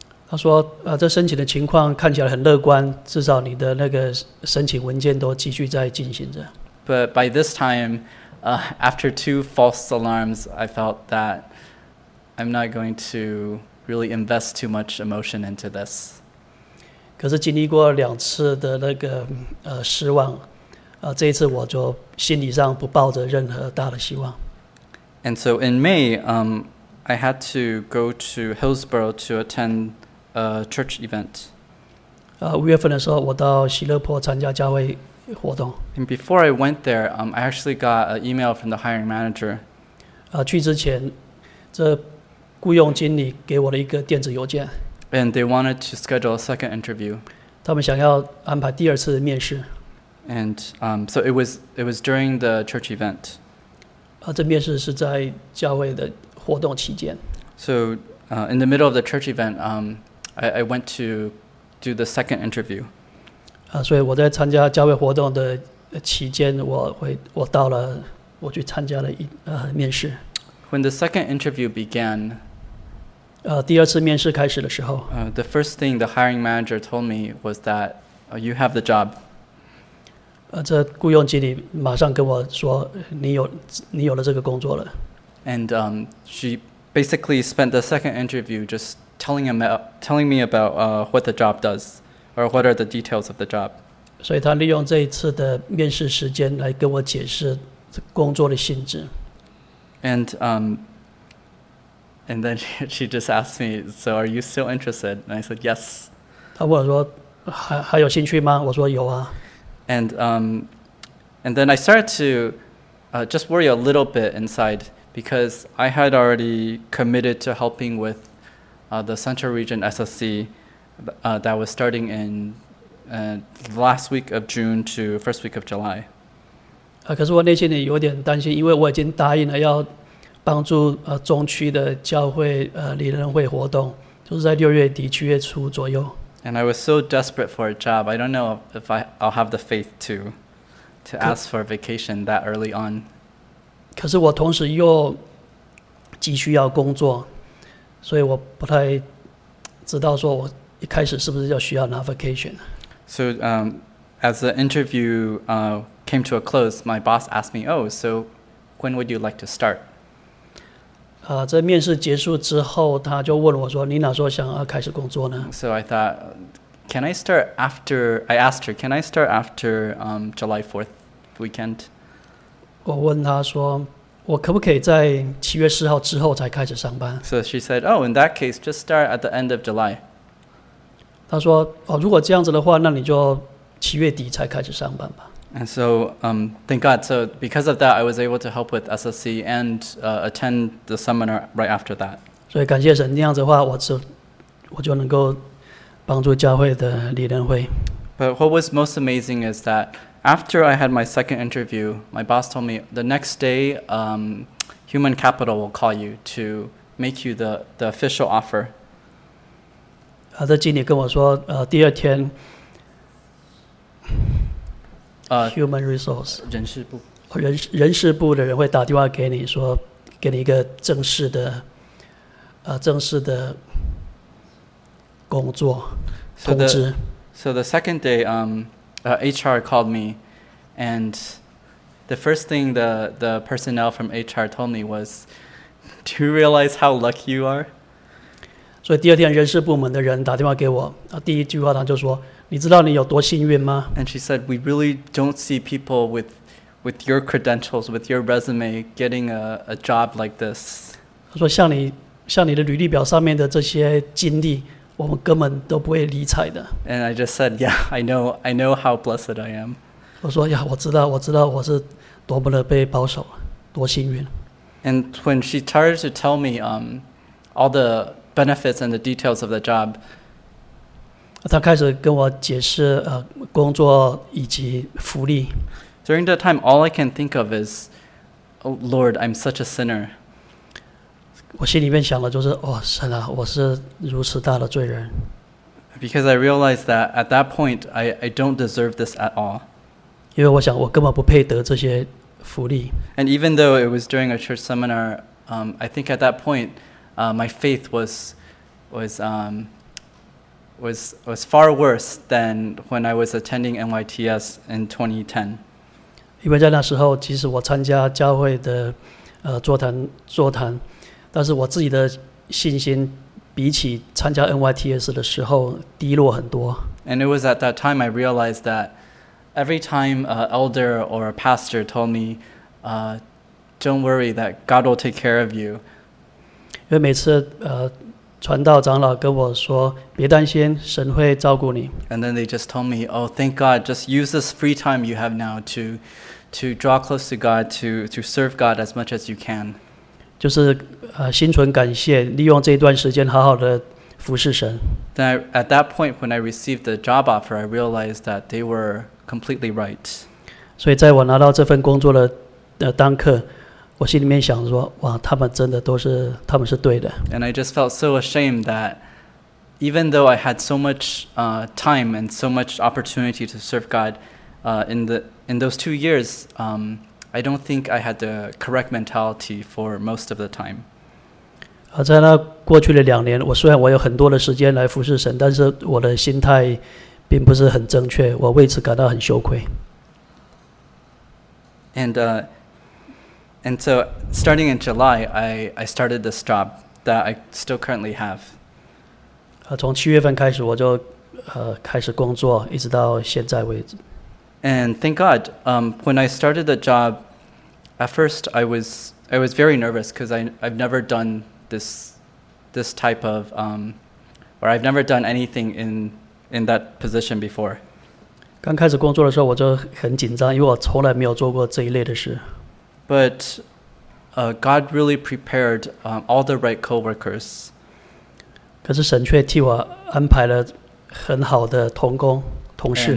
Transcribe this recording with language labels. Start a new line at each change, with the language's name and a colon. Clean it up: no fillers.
Chinese: 他说，这申请的情况看起来很乐观，至少你的那个申请文件都继续在进行着。
English: But by this time, after two false alarms, I felt that I'm not going to really invest too much emotion into this.
Chinese: 可是经历过两次的那个失望，这一次我就心理上不抱着任何大的希望。
English: And so in May, I had to go to Hillsboro to attend a church event.
Chinese: 五月份的时候，我到喜乐坡参加教会。
English: And before I went there, I actually got an email from the hiring manager.
Chinese: 去之前，这雇佣经理给我了一个电子邮件。
English: And they wanted to schedule a second interview.
Chinese: 他们想要安排第二次面试。
English: And so it was during the church event.
Chinese: 啊，这面试是在教会的活动期间。
English: So in the middle of the church event, I went to do the second interview.
Chinese: 啊，所以我在参加教会活动的期间，我到了，我去参加了面试。
English: When the second interview began.
Chinese: 第二次面试开始的时候。
English: The first thing the hiring manager told me was that you have the job.
Chinese: 这雇佣经理马上跟我说，你有了这个工作了。
English: And she basically spent the second interview just telling me about what the job does, or what are the details of the job.
Chinese: 所以他利用这一次的面试时间来跟我解释工作的性质。
English: And then she just asked me, "So are you still interested?" And I said, "Yes."
Chinese: 他问我说，还有兴趣吗？我说有啊。
English: And then I started to just worry a little bit inside because I had already committed to helping with the Central Region SSC that was starting in last week of June to first week of July.
Chinese: 可是我内心里有点担心，因为我已经答应了要帮助中区的教会理论会活动，就是在六月底七月初左右。
English: And I was so desperate for a job. I don't know if I'll have the faith to ask for a vacation that early on.
Chinese: 可是我同时又急需要工作，所以我不太知道说我一开始是不是要需要拿 vacation。
English: So as the interview came to a close, my boss asked me, "Oh, so when would you like to start?"
Chinese: 这面试结束之后，他就问我说：“你哪时候想要开始工作呢？”
English: So I thought, "Can I start after?" I asked her, "Can I start after July 4th weekend?"
Chinese: 我问他说：“我可不可以在七月四号之后才开始上班？”
English: So she said, "Oh, in that case, just start at the end of July."
Chinese: 他说：“哦，如果这样子的话，那你就七月底才开始上班吧。”
English: And so, thank God. So because of that, I was able to help with SSC and attend the seminar right after that.
Chinese: 所以感谢神，那样子的话，我就能够帮助教会的理论会。
English: But what was most amazing is that after I had my second interview, my boss told me the next day, Human Capital will call you to make you the official offer.
Chinese: 这经理跟我说，第二天。
English: Human resource
Chinese: 人事部，人事部的人会打电话给你说，给你一个正式的工作通知。
English: So the second day, HR called me, and the first thing the personnel from HR told me was, "Do you realize how lucky you are?"
Chinese: 所以第二天人事部门的人打电话给我，第一句话他就说。你知道你有多幸运吗？
English: And she said, "We really don't see people with your credentials, with your resume, getting a job like this."
Chinese: 她说像你的履历表上面的这些经历，我们根本都不会理睬的。
English: And I just said, "Yeah, I know how blessed I am."
Chinese: 我说呀，我知道我是多么的被保守，多幸运。
English: And when she started to tell me all the benefits and the details of the job.
Chinese: 他开始跟我解释工作以及福利。
English: During that time, all I can think of is, "Lord, I'm such a sinner."
Chinese: 我心里面想的就是，哦，神啊，我是如此大的罪人。
English: Because I realized that at that point, I don't deserve this at all.
Chinese: 因为我想，我根本不配得这些福利。
English: And even though it was during a church seminar, I think at that point, my faith was far worse than when I was attending NYTS in 2010.
Chinese: 因为在那时候，即使我参加教会的座谈，但是我自己的信心比起参加 NYTS 的时候低落很多。
English: And it was at that time I realized that every time an elder or a pastor told me, "Don't worry, that God will take care of you."
Chinese: 因为每次传道长老跟我说：“别担心，神会照顾你。”
English: And then they just told me, "Oh, thank God! Just use this free time you have now to draw close to God, to serve God as much as you can."
Chinese: 就是心存感谢，利用这段时间好好的服侍神。
English: Then I, at that point when I received the job offer, I realized that they were completely right.
Chinese: 所以在我拿到这份工作的、当刻，我心里面想说，哇，他们真的都是，他们是对的。
English: And I just felt so ashamed that even though I had so much、time and so much opportunity to serve God、in those 2 years,、I don't think I had the correct mentality for most of the time.
Chinese: 在那过去的两年，我虽然我有很多的时间来服侍神，但是我的心态并不是很正确，我为此感到很羞愧。
English: And so starting in July, I started this job that I still currently have.
Chinese: 从七月份开始我就开始工作，一直到现在为止。
English: And thank God, when I started the job, at first I was very nervous because I've never done this type of, or I've never done anything in that position before.
Chinese: 刚开始工作的时候我就很紧张，因为我从来没有做过这一类的事。
English: But God really prepared all the right coworkers.
Chinese: 可是神却替我安排了很好的同工同事